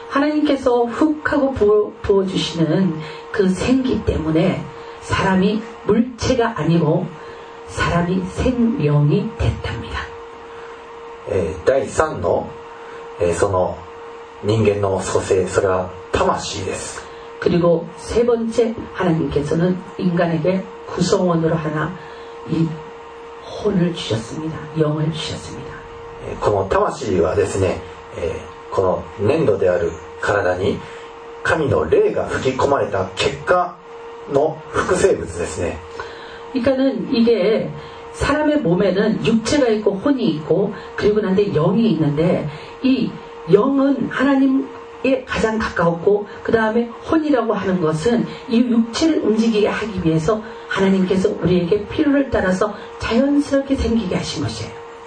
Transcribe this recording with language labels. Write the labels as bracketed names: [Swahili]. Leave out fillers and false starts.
[Korean] 하나님께서흙하고부어주시는그생기때문에사람이물체가아니고사람이생명이됐답니다 [Japanese] 第3の、その人間の組成それは魂です。 [Korean] 그리고세번째하나님께서는인간에게구성원으로하나이혼을주셨습니다영을주셨습니다 [Japanese] この魂はですね、この粘土である体に神の霊が吹き込まれた結果の複製物ですね。 [Korean] 그러니까는이게사람의몸에는육체가있고혼이있고그리고난뒤에영이있는데이영은하나님에가장가까웠고그다음에혼이라고하는것은이육체를움직이게하기위해서하나님께서우리에게필요를따라서자연스럽게생기게하신것이에요